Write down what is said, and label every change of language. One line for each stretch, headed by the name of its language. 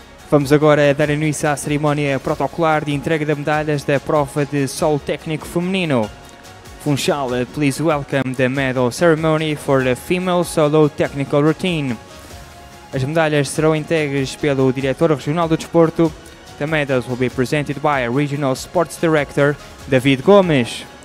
Portuguese: Vamos agora dar início à cerimónia protocolar de entrega de medalhas da prova de solo técnico feminino.
English: Funchal, please welcome the medal ceremony for the female solo technical routine.
Portuguese: As medalhas serão entregues pelo Diretor Regional do Desporto.
English: The medals will be presented by Regional Sports Director David Gomes.